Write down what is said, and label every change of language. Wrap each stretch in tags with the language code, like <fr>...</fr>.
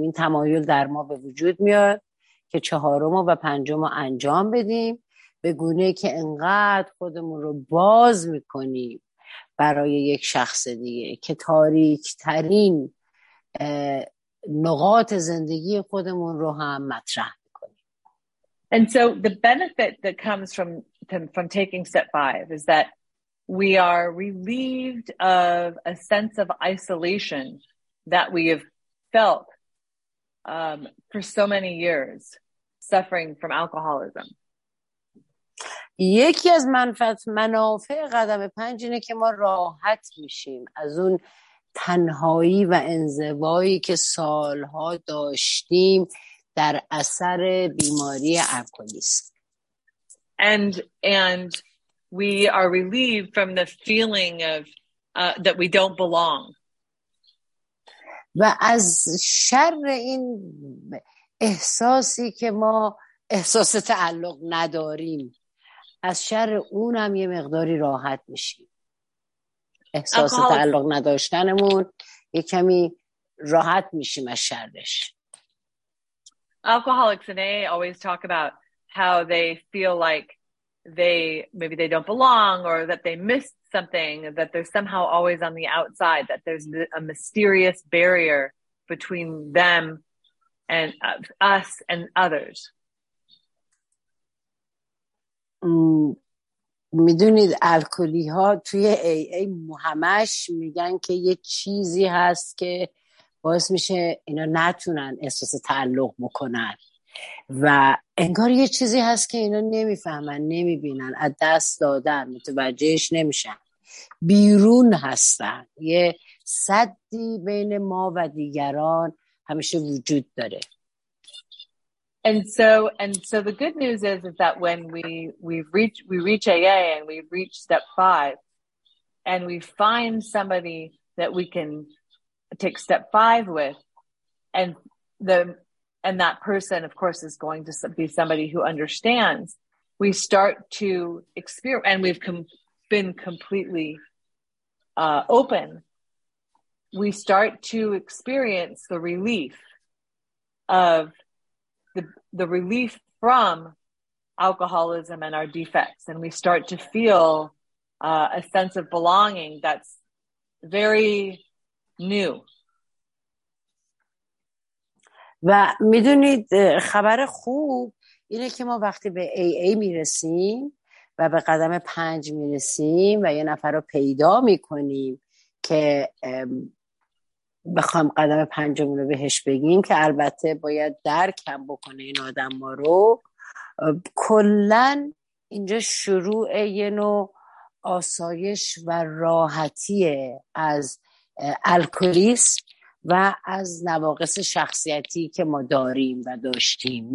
<fa>این تمایل در ما به وجود میاد که 4 و 5 انجام بدیم به گونه که انقدر خودمون رو باز میکنیم برای یک شخص دیگه که تاریک ترین نقاط زندگی خودمون رو هم مطرح کنیم.</fa> <en>And so the benefit that comes from taking step 5 is that we are relieved of a sense of isolation that we have felt for so many years suffering from alcoholism.</en> <fa>یکی از منافع قدم 5 اینه که ما راحت میشیم از اون تنهایی و انزوایی که سالها داشتیم در اثر بیماری الکلیسم.</fa> <en>And we are relieved from the feeling of that we don't belong.</en> <fa>و از شر این احساسی که ما احساس تعلق نداریم، از شر اون هم یه مقداری راحت میشیم. احساس تعلق نداشتنمون یه کمی راحت میشیم از شرش.</fa> <en>Alcoholics in AA always talk about how they feel like they don't belong or that they missed something, that they're somehow always on the outside, that there's a mysterious barrier between them and us and others.</en> <fa>میدونید الکلی ها توی AA همش میگن که یه چیزی هست که باعث میشه اینا نتونن احساس تعلق بکنن و انگار یه چیزی هست که اینا نمیفهمن، نمیبینن، از دست دادن، متوجهش نمیشن، بیرون هستن، یه سدی بین ما و دیگران همیشه وجود داره.</fa> <en>And so the good news is that when we reach AA and we reach step 5 and we find somebody that we can take step 5 with, and that person of course is going to be somebody who understands, we start to experience and we've been completely open, we start to experience the relief of the relief from alcoholism and our defects, and we start to feel a sense of belonging that's very new.</en> <fa>و میدونید خبر خوب اینه که ما وقتی به AA میرسیم و به قدم 5 میرسیم و یه نفر رو پیدا میکنیم که بخوام قدم 5 رو بهش بگیم، که البته باید درکم بکنه این آدم ما رو، کلن اینجا شروع یه نوع آسایش و راحتیه از الکلیس و از نواقص شخصیتی که ما داریم و داشتیم.</fa>